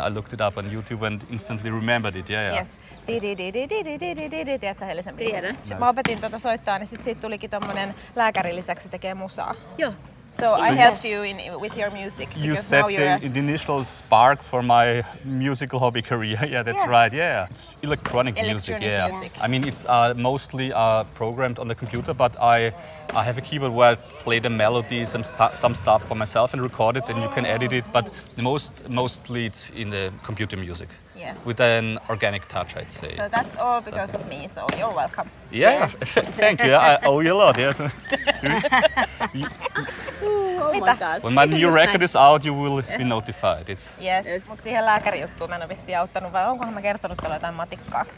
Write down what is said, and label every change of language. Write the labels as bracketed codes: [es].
[en] I looked it up on YouTube and instantly remembered it. Yeah. [fi] Yes. Di-di-di-di-di-di-di-di-di, tiedät sä Helisen biisin? Tiedän. Nice. Mä opetin tuota soittaa, niin sit siitä tulikin tommonen lääkäri lisäksi tekee musaa. Joo. [en] So I helped you with your music. You set the initial spark for my musical hobby career. Yeah, that's yes. right. Yeah, it's electronic music. Yeah. I mean, it's mostly programmed on the computer, but I have a keyboard where I play the melody, some stuff for myself, and record it, and you can edit it. But mostly it's in the computer music. Yes. With an organic touch, I'd say. So that's all because of me, so you're welcome. Yeah, yeah. Thank you. I owe you a lot, yes. Oh my God. When my new record is out, you will be notified. It's... Yes. Yes. [fi] Mut siihen lääkärijuttuun mä en ole vissiin auttanut, vai onkohan mä kertonut tällä jotain matikkaa?